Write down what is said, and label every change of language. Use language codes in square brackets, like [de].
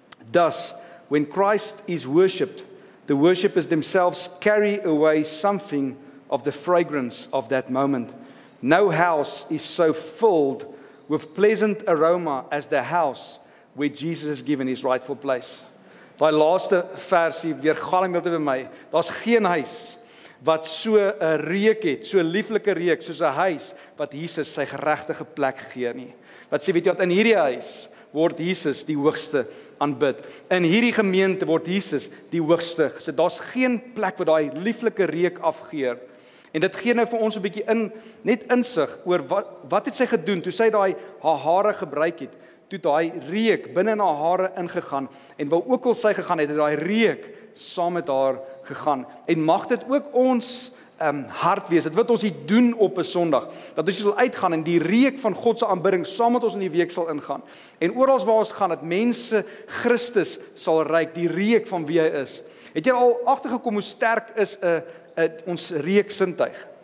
[en] Thus, when Christ is worshipped, the worshippers themselves carry away something of the fragrance of that moment. No house is so filled with pleasant aroma as the house where Jesus has given his rightful place. [af] Daai laaste versie weergalm dit by my. Daar's geen huis wat so 'n reuk het, so 'n lieflike reuk soos 'n huis wat Jesus sy geregtige plek gee nie. Wat sê, weet jy wat, in hierdie huis word Jesus die hoogste aanbid. In hierdie gemeente word Jesus die hoogste. So, daar's geen plek wat daai lieflike reuk afgeer. En dit gee nou vir ons 'n bietjie insig oor wat het sy gedoen toe sy daai haar hare gebruik het. Toe daai reuk binne in haar hare ingegaan en wou ook al sy gegaan het daai reuk saam met haar gegaan. En mag dit ook ons hart wees. Dit wat ons hier doen op 'n Sondag, dat ons sal uitgaan en die reuk van God se aanbidding saam met ons in die week sal ingaan. En oral waar ons gaan, dat mense Christus sal ruik, die reuk van wie hy is. Het jy al agtergekom hoe sterk is ons reuk sintuig?